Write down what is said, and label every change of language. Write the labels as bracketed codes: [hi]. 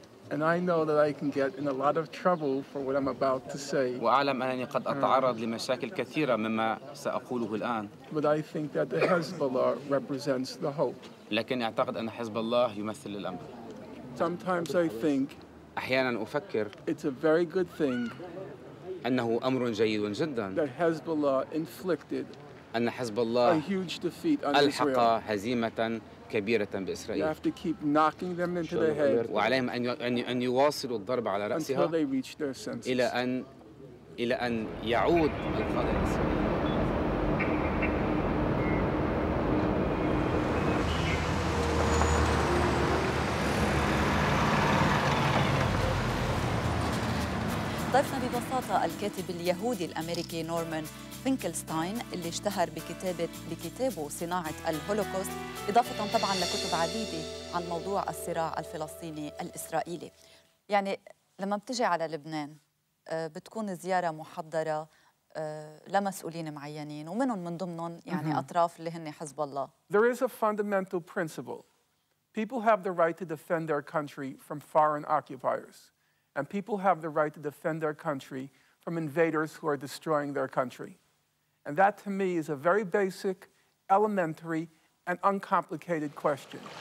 [en] And I know that I can get in a lot of trouble for what I'm about to say. [ar] وأعلم أنني قد أتعرض لمشاكل كثيرة مما سأقوله الآن. [en] But I think that the Hezbollah represents the hope. [ar] لكن أعتقد أن حزب الله يمثل الأمل. [en] Sometimes I think. [ar] احيانا افكر [en] it's a very good thing [ar] انه امر جيد جدا [en] that Hezbollah inflicted [ar] ان حزب الله [en] a huge defeat on Israel. [ar] الحق هزيمه كبيره باسرائيل [en] you have to keep knocking them into the head [ar] وعليهم ان يواصلوا الضرب على راسها [en] until they reach their senses [ar] الى ان يعود القائد الاسرائيلي ضيفنا ببساطة الكاتب اليهودي الأمريكي نورمان فينكلستاين اللي اشتهر بكتابه صناعة الهولوكوست إضافة طبعاً لكتب عديدة عن موضوع الصراع الفلسطيني الإسرائيلي يعني لما بتجي على لبنان بتكون زيارة محضرة لمسؤولين معينين ومنهم من ضمنهم يعني أطراف اللي هن حزب الله [en] There is a fundamental principle People have the right to defend their country from foreign occupiers And people have the right to defend their country from invaders who are destroying their country. And that, to me, is a very basic, elementary, and uncomplicated question.